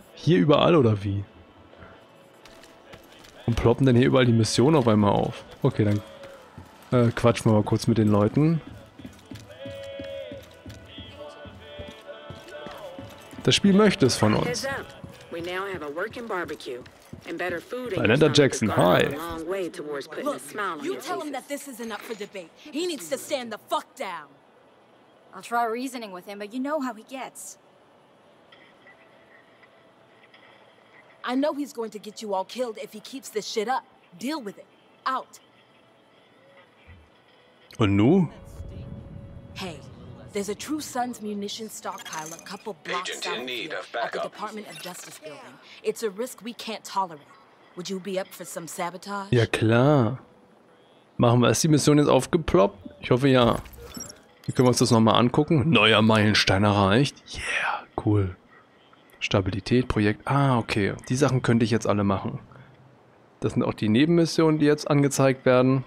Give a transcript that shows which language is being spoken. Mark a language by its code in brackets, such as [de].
[de] Hier überall oder wie? Und ploppen denn hier überall die Missionen auf einmal auf? Okay, dann quatschen wir mal kurz mit den Leuten. Das Spiel möchte es von uns. [en] We now have a working barbecue and better food. Lynetta Jackson, hi. Look, you tell him that this isn't up for debate. He needs to stand the fuck down. I'll try reasoning with him, but you know how he gets. I know he's going to get you all killed if he keeps this shit up. Deal with it. Out. [de] Und nu? [en] Hey, there's a True Sons munition stockpile a couple blocks southfield of the Department of Justice building. It's a risk we can't tolerate. Would you be up for some sabotage? [de] Ja klar. Machen wir, ist die Mission jetzt aufgeploppt? Ich hoffe ja. Hier können wir uns das nochmal angucken. Neuer Meilenstein erreicht. [en] Yeah, cool. [de] Stabilität, Projekt. Ah, okay. Die Sachen könnte ich jetzt alle machen. Das sind auch die Nebenmissionen, die jetzt angezeigt werden.